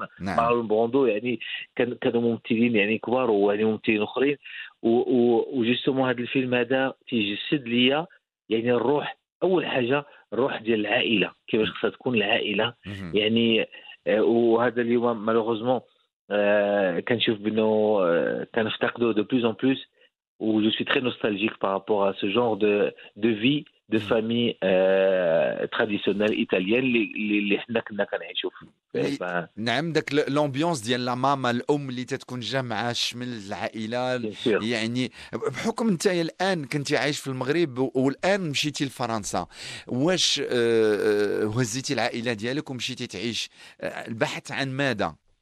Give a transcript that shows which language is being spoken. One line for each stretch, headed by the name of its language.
Arabic: Marlon Brando يعني كانوا ممثلين يعني كبار ويعني ممثلين اخرين و justement هذا الفيلم هذا تيجسد ليا يعني الروح اول حاجه الروح ديال العائله كيفاش خصها تكون العائله يعني وهذا اليوم malheureusement كنشوف بانه كنفتقدوا
French: de plus en plus. Où je suis très nostalgique par rapport à ce genre de vie de famille traditionnelle italienne les
Arabic: حنا كنا كنعيشوا نعم داك الامبيونس ديال لا ماما الام اللي تتكون جامعه شمل العائله يعني بحكم انت الان كنتي عايش في المغرب والان مشيتي لفرنسا واش هزيتي العائله ديالك ومشيتي تعيش البحث عن ماذا